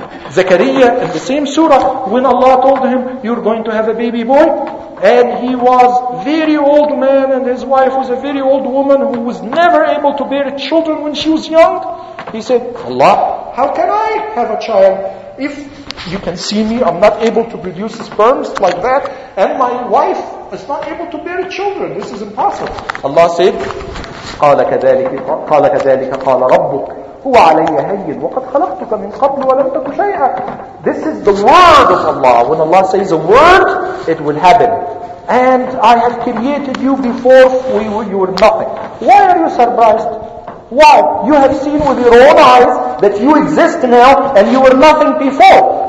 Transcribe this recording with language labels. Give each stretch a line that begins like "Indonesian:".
English: Zakariya, in the same surah, when Allah told him, you're going to have a baby boy, and he was very old man, and his wife was a very old woman who was never able to bear children when she was young. He said, Allah, how can I have a child? If you can see me, I'm not able to produce sperms like that, and my wife is not able to bear children. This is impossible. Allah said,
Arabic: قَالَ كَذَلِكَ قَالَ رَبُّكَ هُوَ عَلَيَّ هَيِّنْ وَقَدْ خَلَقْتُكَ مِنْ قَبْلُ وَلَمْ تَكُ شَيْئًا.
English: This is the word of Allah. When Allah says a word, it will happen. And I have created you before you were nothing. Why are you surprised? Why? You have seen with your own eyes that you exist now and you were nothing before.